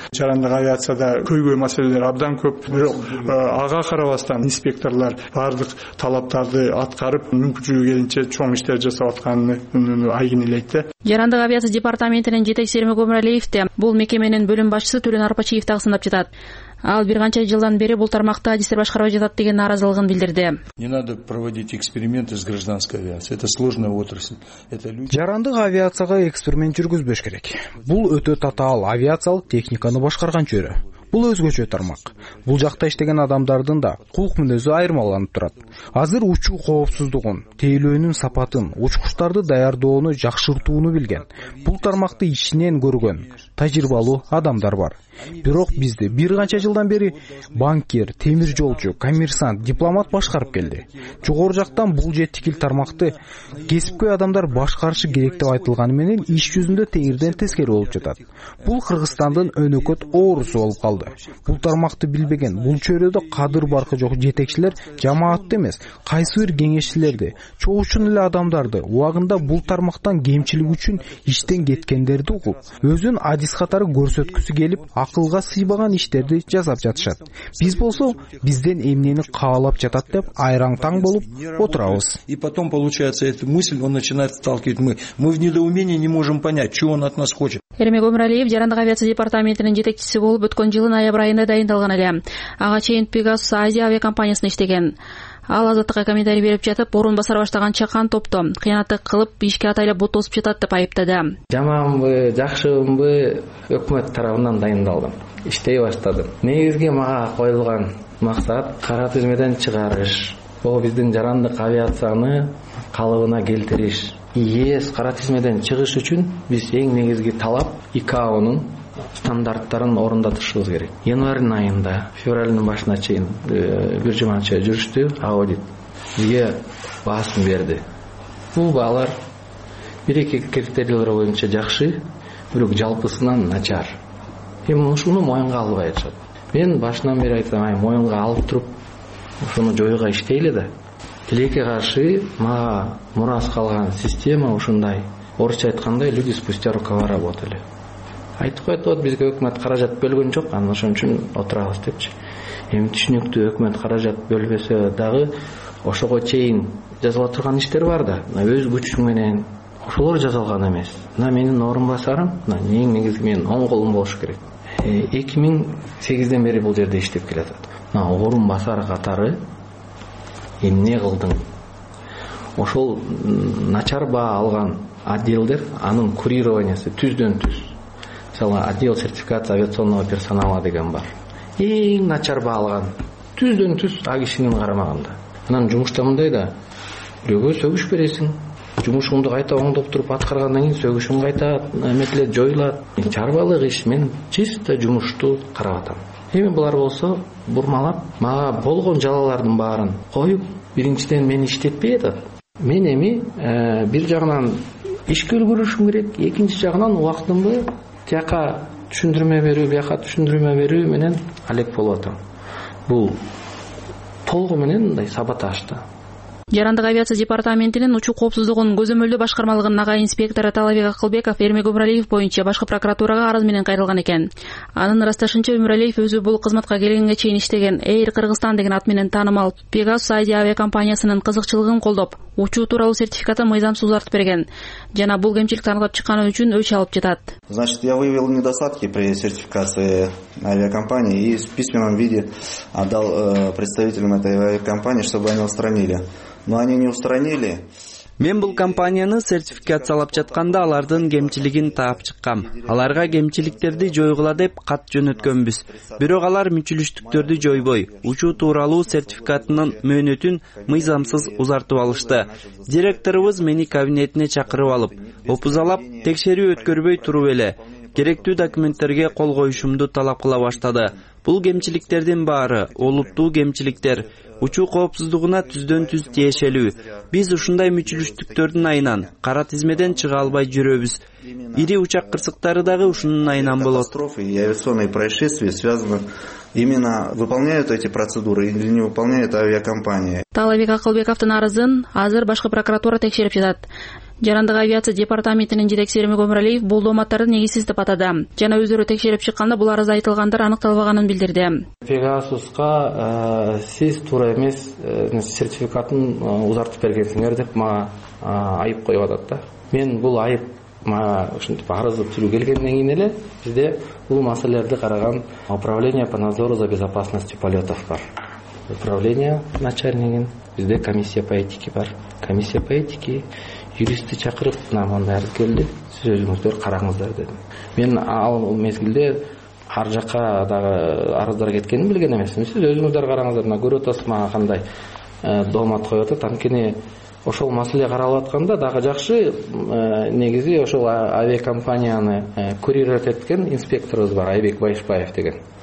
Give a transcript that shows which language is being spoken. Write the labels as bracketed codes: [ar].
[ky] Жарандык авиацияда көйгөй маселелер абдан көп, бирок ага карабастан инспекторлор баардык талаптарды аткарып, мүмкүнчүлүгү келинче чоң иштер жасап атканыны айгинелейт да. Жарандык авиация департаментинин жетекчиси Эрмек Өмүралиев да бул мекеменин бөлүм башчысы Төлөн Арпачиев да сындап жатат. Ал бир канча жылдан бери бул тармакта адистер башкарып жатат деген нааразылыгын билдирди. [ru] Не надо проводить эксперименты с гражданской авиацией. Это сложная отрасль. Это люди. [ky] Жарандык авиацияга эксперимент жүргүзбөш керек. Бул өтө татаал авиациялык техниканы башкарган чөйрө. Бул өзгөчө тармак. Бул жакта иштеген адамдардын да кулук мүнөзү айырмаланып турат. Азыр учуу коопсуздугун, тейлөөнүн сапатын, учкучтарды даярдоону жакшыртууну билген. Бул тармакты ичинен көргөн, тажрыйбалуу адамдар бар. Бирок бизди бир канча жылдан бери банкер, темир жолчу, коммерсант, дипломат башкарып келди. Жогору жактан бул жетикил тармакты кесипкөй адамдар башкарышы керек деп айтылганы менен иш жүзүндө тегирден тескери болуп жатат. Бул Кыргызстандын өнөкөт оорусу болуп калды. Бул тармакты билбеген, бул чөйрөдө кадыр баркы жок жетекчилер жамаатты эмес, кайсы бир кеңешчилерди, чоочун эле адамдарды убагында бул тармактан кемчилик үчүн иштен кеткендерди угуп, өзүн адис катары көрсөткүсү келип акылга сыйбаган иштерди жасап жатышат. Биз болсо бизден эмнени каалап жатат деп айраң таң болуп отурабыз. [ru] И потом получается эта мысль, он начинает сталкивать мы в недоумении не можем понять, чего он от нас хочет. [ky] Эрмек Өмүрәлиев жарандык авиация департаментинин жетекчиси болуп өткөн жылдын ноябрь айында дайындалган эле. Ага чейин Pegasus Азия авиакомпаниясында иштеген. Ал азаттыкка комментарий берип жатып, орун басары баштаган чакан топто кыянаттык кылып, ишке атай эле бут тосуп жатат деп айыптады. Жаманбы, жакшыбы, өкмөт тарабынан дайындалдым. Иштей баштадым. Негизги мага коюлган максат кара түзмөдөн чыгарыш. Бул биздин жарандык авиацияны калыбына келтириш. ЕС кара түзмөдөн чыгыш үчүн биз эң негизги талап ИКАО'нун стандарттарын орундатышыбыз керек. Январдын айында, февралдын башына чейин бир жыманча жүрүштү аудит. Бизге баасын берди. Бул баалар бир эки критерийлер боюнча жакшы, бирок жалпысынан начар. Эми ушуну моюнга албай жатышат. Мен башынан бери айтам, ай моюнга алып туруп ушуну жоюуга иштейли да. Тилекке каршы мага мурас калган система ушундай. Орусча айтканда [ru] люди спустя рукава работали. [ky] Айтып коет, вот бизге өкмөт каражат бөлгөн жок, анан ошон үчүн отурабыз депчи. Эми түшүнүктүү, өкмөт каражат бөлбөсө дагы ошого чейин жазыла турган иштер бар да, мына өз күчүң менен ошолор жасалган эмес. Мына менин орун басарым, мына эң негизги менин оң колум болуш керек. 2008 бери бул жерде иштеп келатат. Мына орун басар катары эмне кылдың? Ошол начар баа алган отделдер анын курированиясы түздөн түз. Мисалы [ru] отдел сертификации авиационного персонала [ky] деген бар. Эң начар баа алган түздөн түз агишинин карамагында. Анан жумушта мындай да, бирөөгө сөгүш бересиң. Жумушуңду кайта оңдоп туруп аткаргандан кийин сөгүшүң кайта эметиле жоюлат. Чарбалык иш, мен чисто жумушту карап атам. Эми булар болсо бурмалап мага болгон жалалардын баарын коюп, биринчиден мени иштетпей атат. Мен эми бир жагынан ишке үлгүрүшүм керек, экинчи жагынан убактымды тияка түшүндүрмө берүү, бияка түшүндүрмө берүү менен алек болуп атам. Бул толугу менен мындай саботажды. Жарандык авиация департаментинин учуу коопсуздугун көзөмөлдөө башкармалыгынын ага инспектору Талабек Акылбеков Эрмек Өмүрәлиев боюнча башкы прокуратурага арыз менен кайрылган экен. Анын ырасташынча Өмүрәлиев өзү бул кызматка келгенге чейин иштеген Air Кыргызстан деген ат менен таанымал Pegasus Азия авиакомпаниясынын кызыкчылыгын колдоп, учуу тууралуу сертификатын мыйзамсыз узартып берген жана бул кемчилик тарылап чыкканы үчүн өч алып жатат. [ru] Значит, я выявил недостатки при сертификации авиакомпании и в письменном виде отдал представителям этой авиакомпании, чтобы они устранили. Но они не устранили. [ky] Мен бул компанияны сертификациялап жатканда алардын кемчилигин таап чыккам. Аларга кемчиликтерди жойгула деп кат жөнөткөнбүз. Бирок алар мүчүлүштүктөрдү жойбой, учуу тууралуу сертификатынын мөөнөтүн мыйзамсыз узартып алышты. Директорубуз мени кабинетине чакырып алып, опузалап текшерүү өткөрбөй туруп эле керектүү документтерге кол коюшумду талап кыла баштады. Бул кемчиликтердин баары олуттуу кемчиликтер. Учуу коопсуздугуна түздөн түз тиешелүү. Биз ушундай мүчүлүштүктөрдүн айынан кара тизмеден чыга албай жүрөбүз. Ири учак кырсыктары дагы ушунун айынан болот. [ru] Катастрофы и авиационные происшествия связаны именно выполняют эти процедуры или не выполняют авиакомпания. [ky] Талабек Акылбековдун арызын азыр башкы прокуратура текшерип жатат. Жарандык авиация департаментинин жетекчиси Эрмек Өмүрәлиев бул дооматтарды негизсиз деп атады жана өздөрү текшерип чыкканда бул арызда айтылгандар аныкталбаганын билдирди. Pegasus'ка сиз туура эмес сертификатын узартып бергенсиңер деп мага айып коюп атат да. Мен бул айып мага ушинтип арызды түрүп келгенден кийин эле бизде бул маселелерди караган [ru] управление по надзору за безопасностью полетов [ky] бар. Управление начальнигин бизде [ru] комиссия по этике [ky] бар. [ru] Комиссия по этике [ky] юристи чакырып, мына мындай арыз келди, сиз өзүңүздөр караңыздар дедим. Мен ал мезгилде ар жака дагы арыздар кеткенин билген эмесмин. Сиз өзүңүздөр караңыздар, мына көрүп атасыз мага кандай доомат коюп атат. Анткени ошол маселе каралып атканда дагы жакшы негизи ошол авиакомпанияны курьер эткен инспекторубуз бар, Айбек Байышбаев деген.